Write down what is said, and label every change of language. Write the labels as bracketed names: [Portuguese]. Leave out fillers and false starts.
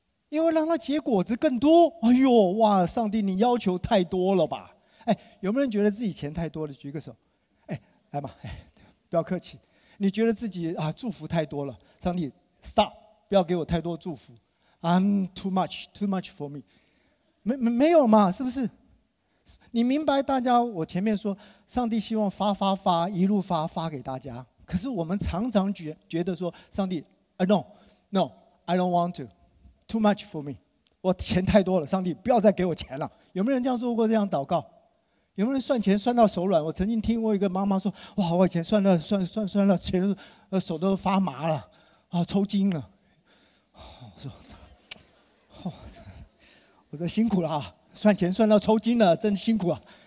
[Chinese] 因为让它结果子更多。哎呦，哇，上帝，你要求太多了吧？哎，有没有人觉得自己钱太多了？举个手。哎，来吧，哎，不要客气。你觉得自己啊，祝福太多了，上帝 ，stop，不要给我太多祝福。 [English] I'm too much, too much for me. [Chinese] 没有嘛，是不是？你明白大家，我前面说，上帝希望发发发，一路发发给大家。可是我们常常觉得说， [English] 上帝 ，I don't want to, too much for me. [Chinese] 我钱太多了，上帝不要再给我钱了。有没有人这样做过这样祷告？有没有人算钱算到手软？我曾经听过一个妈妈说，哇，我以前算到钱，手都发麻了，啊，抽筋了。我说，我说辛苦了啊，算钱算到抽筋了，真辛苦啊。